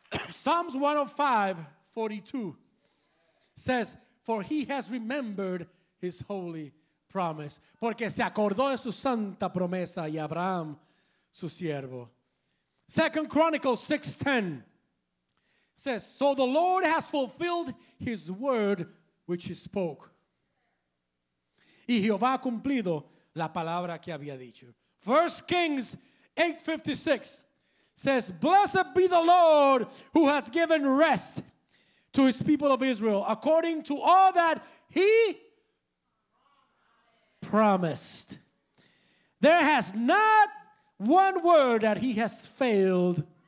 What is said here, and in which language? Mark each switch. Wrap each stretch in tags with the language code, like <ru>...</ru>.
<en>Psalms 105:42 says, "For he has remembered his holy promise."</en> <es>Porque se acordó de su santa promesa y Abraham, su siervo.</es> <en>2 Chronicles 6:10 says, "So the Lord has fulfilled his word which he spoke."</en> <es>Y Jehová ha cumplido la palabra que había dicho.</es> <en>1 Kings 8:56 says, "Blessed be the Lord who has given rest to his people of Israel according to all that he promised." There has not one word that he has failed.</en>